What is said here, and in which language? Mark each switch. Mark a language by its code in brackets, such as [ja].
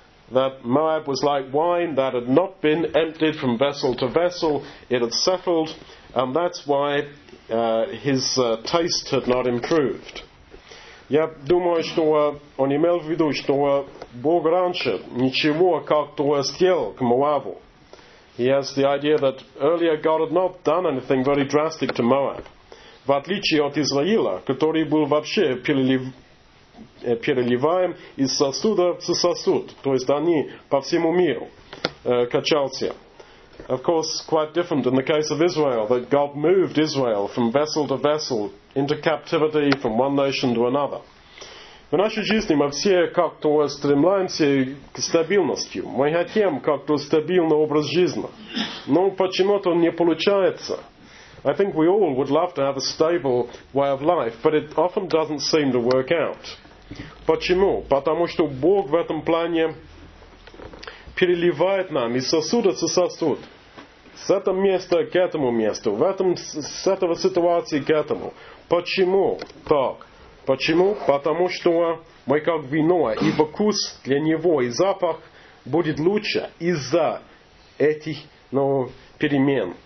[en] That Moab was like wine that had not been emptied from vessel to vessel. It had settled, and that's why his taste had not improved. [ru] Я думаю, что он имел в виду, что Бог раньше ничего как-то сделал к Моаву. [en] He has the idea that earlier God had not done anything very drastic to Moab. [ru] В отличие от Израиля, который был вообще переливаем из сосуда в сосуд. То есть они по всему миру качался. [en] Of course, quite different in the case of Israel, that God moved Israel from vessel to vessel into captivity from one nation to another. [ru] В нашей жизни мы все как-то стремляемся к стабильности. Мы хотим как-то стабильный образ жизни. Но почему-то он не получается. [en] I think we all would love to have a stable way of life, but it often doesn't seem to work out. [ru] Почему? Потому что Бог в этом плане переливает нам из сосуда в сосуд. С этого места к этому месту. С этого ситуации к этому. Почему так? Почему? Потому что мы как вино, и вкус для него, и запах будет лучше из-за этих перемен.